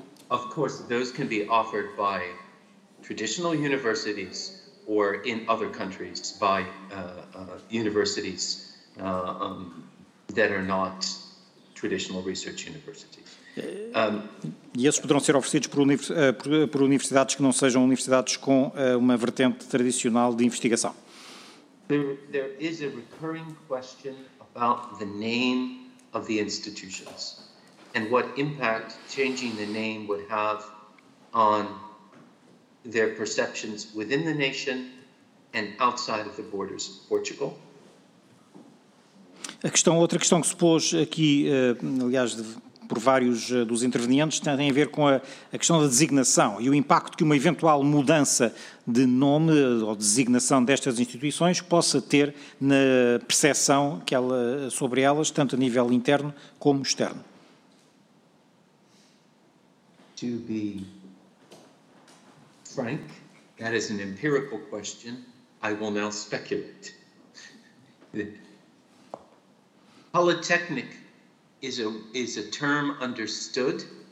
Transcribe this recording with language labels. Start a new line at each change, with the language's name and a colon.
English: Of course, those can be offered by traditional universities or in other countries by universities that are not traditional research universities.
Portuguese: E esses poderão ser oferecidos por universidades que não sejam universidades com uma vertente tradicional de investigação.
English: There is a recurring question about the name of the institutions and what impact changing the name would have on their perceptions within the nation and outside of the borders of Portugal.
Portuguese: A questão, outra questão que se pôs aqui, aliás, por vários dos intervenientes, tem a ver com a questão da designação e o impacto que uma eventual mudança de nome ou designação destas instituições possa ter na percepção que ela, sobre elas, tanto a nível interno como externo.
English: To be frank, that is an empirical question. I will now speculate. Polytechnic is a term understood.